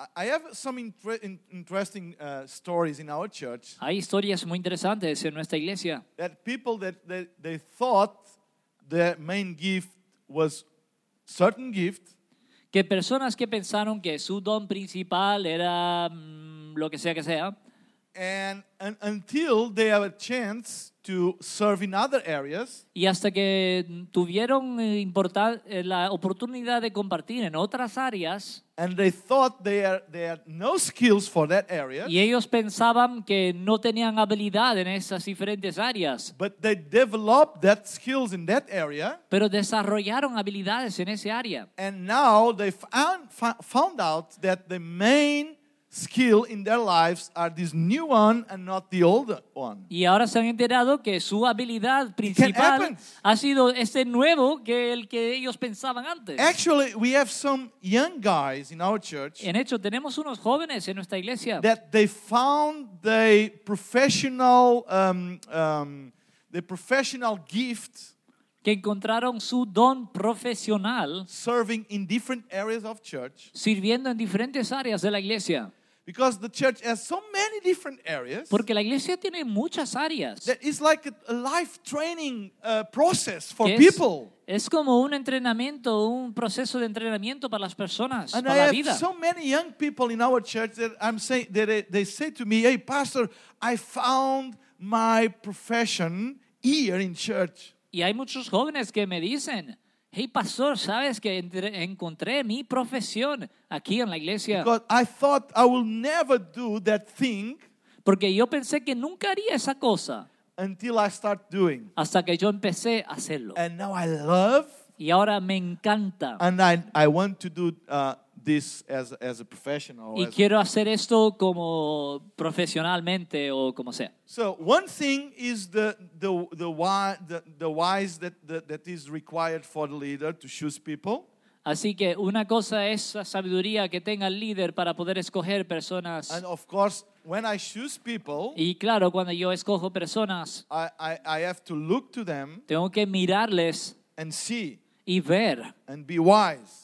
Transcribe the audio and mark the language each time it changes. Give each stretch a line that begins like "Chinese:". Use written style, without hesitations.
English: I have some interesting stories in our church.
Spanish: Hay historias muy interesantes en nuestra iglesia.
English: That people that they thought their main gift was certain gift.
Spanish: Que personas que pensaron que su don principal era lo que sea que sea.
English: And until they have a chance to serve in other areas.
Spanish: Y hasta que tuvieron la oportunidad de compartir en otras áreas.
English: And they thought they had no skills for that area.
Spanish: Y ellos pensaban que no tenían habilidad en esas diferentes áreas.
English: But they developed that skills in that area.
Spanish: Pero desarrollaron habilidades en ese área.
English: And now they found out that the main skill in their lives are this new one and not the old one.
Spanish: Y ahora se han enterado que su habilidad principal ha sido este nuevo que el que ellos pensaban antes.
English: Actually, we have some young guys in our church.
Spanish: En hecho, tenemos unos jóvenes en nuestra iglesia.
English: That they found the professional gift.
Spanish: Que encontraron su don profesional.
English: Serving in different areas of church.
Spanish: Sirviendo en diferentes áreas de la iglesia.
English: Because the church has so many different areas.
Spanish: Porque la iglesia tiene muchas áreas.
English: That is like a life training process for people.
Spanish: Es como un entrenamiento, un proceso de entrenamiento para las personas,
English: and
Spanish: para
English: I
Spanish: la
English: have
Spanish: vida.
English: So many young people in our church that I'm saying that they say to me, "Hey, pastor, I found my profession here in church."
Spanish: Y hay muchos jóvenes que me dicen, "Hey, pastor, ¿sabes que encontré mi profesión aquí en la iglesia?"
English: Because I thought I will never do that thing.
Spanish: Porque yo pensé que nunca haría esa cosa.
English: Until I start doing.
Spanish: Hasta que yo empecé a hacerlo.
English: And now I love.
Spanish: Y ahora me encanta.
English: And I want to do this as a professional.
Spanish: Y quiero hacer esto como profesionalmente o como sea.
English: So one thing is the wise that is required for the leader to choose people.
Spanish: Así que una cosa es la sabiduría que tenga el líder para poder escoger personas.
English: And of course, when I choose people,
Spanish: y claro, cuando yo escojo personas,
English: I have to look to them.
Spanish: Tengo que mirarles.
English: And see.
Spanish: Y ver.
English: And be wise.